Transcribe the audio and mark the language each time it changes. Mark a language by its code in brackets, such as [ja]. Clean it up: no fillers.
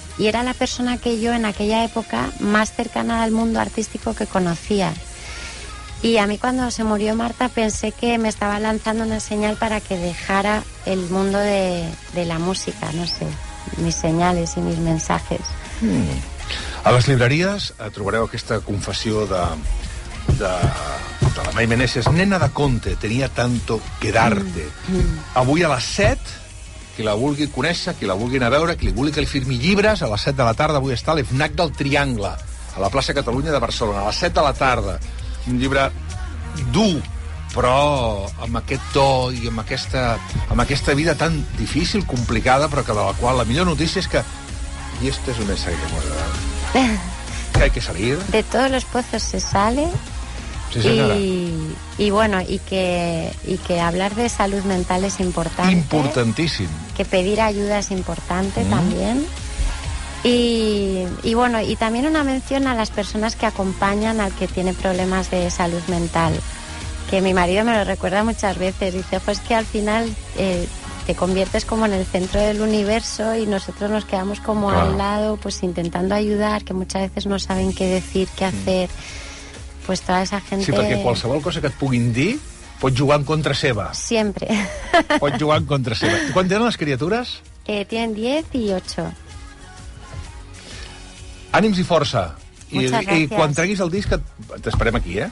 [es] Y era la persona que yo en aquella época más cercana al mundo artístico que conocía. Y a mí cuando se murió Marta pensé que me estaba lanzando una señal para que dejara el mundo de la música, no sé, mis señales y mis mensajes. [ca] A les llibreries trobareu aquesta confessió de la Mai Meneses. Nena de conte, tenia tanto quedarte. Avui a les 7, qui la vulgui conèixer, qui la vulgui anar a veure, qui li vulgui que li firmi llibres, a les 7 de la tarda avui està a l'EFNAC del Triangle, a la plaça Catalunya de Barcelona, a les 7 de la tarda. Un llibre dur, però amb aquest to i amb aquesta vida tan difícil, complicada, però que de la qual la millor notícia és que... [es] Y este es un mensaje que hemos dado. Que hay que salir. De todos los pozos se sale. Sí, señora. Y bueno, y que hablar de salud mental es importante. Importantísimo. Que pedir ayuda es importante también. Y bueno, y también una mención a las personas que acompañan al que tiene problemas de salud mental. Que mi marido me lo recuerda muchas veces. Dice, pues que al final... te conviertes como en el centro del universo y nosotros nos quedamos como claro. Al lado, pues intentando ayudar, que muchas veces no saben qué decir, qué hacer. Pues toda esa gente... [ca] Sí, perquè qualsevol cosa que et puguin dir pots jugar en contra seva. Sempre. Pots jugar en contra seva. Quant tenen les criatures? [es] Tienen 10 y 8. [ca] Ànims i força. [es] Muchas gracias. [ca] I quan treguis el disc t'esperem aquí, eh?